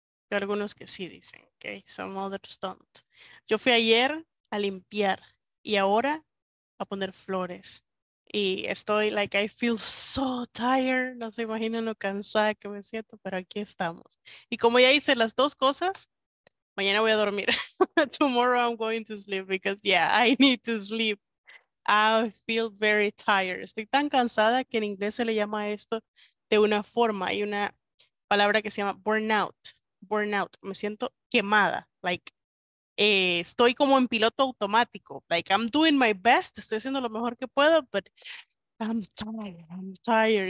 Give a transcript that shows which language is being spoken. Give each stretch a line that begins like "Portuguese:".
Spanish: Hay algunos que sí dicen, okay,
English: some others don't.
Spanish: Yo fui ayer a limpiar y ahora a poner flores. Y estoy, like,
English: I feel so tired.
Spanish: No se imaginan lo cansada que me siento, pero aquí estamos. Y como ya hice las dos cosas, mañana voy a dormir.
English: Tomorrow I'm going to sleep because, yeah, I need to sleep. I feel very tired.
Spanish: Estoy tan cansada que en inglés se le llama esto de una forma. Hay una palabra que se llama burnout. Burnout. Me siento quemada,
English: like.
Spanish: Estoy como en piloto automático.
English: Like, I'm doing my best.
Spanish: Estoy haciendo lo mejor que puedo,
English: but I'm tired. I'm tired.